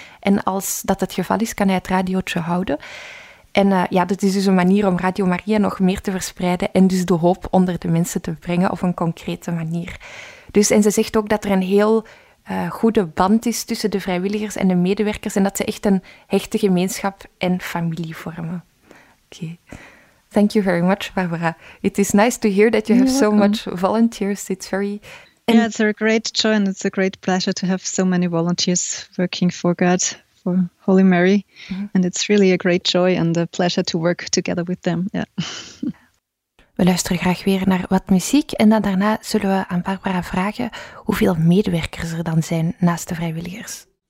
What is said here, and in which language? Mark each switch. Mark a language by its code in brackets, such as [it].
[nl] En als dat het geval is, kan hij het radiootje houden. En dat is dus een manier om Radio Maria nog meer te verspreiden en dus de hoop onder de mensen te brengen op een concrete manier. Dus, en ze zegt ook dat er een heel goede band is tussen de vrijwilligers en de medewerkers en dat ze echt een hechte gemeenschap en familie vormen. [en] Oké. Thank you very much, Barbara. It is nice to hear that you have so much volunteers. It's very... Yeah, it's a great joy and it's a great pleasure to have so many volunteers working for God, for Holy Mary. Mm-hmm. And it's really a great joy and a pleasure to work together with them. Yeah. [nl] We luisteren graag weer naar wat muziek en dan daarna zullen we aan Barbara vragen hoeveel medewerkers er dan zijn naast de vrijwilligers.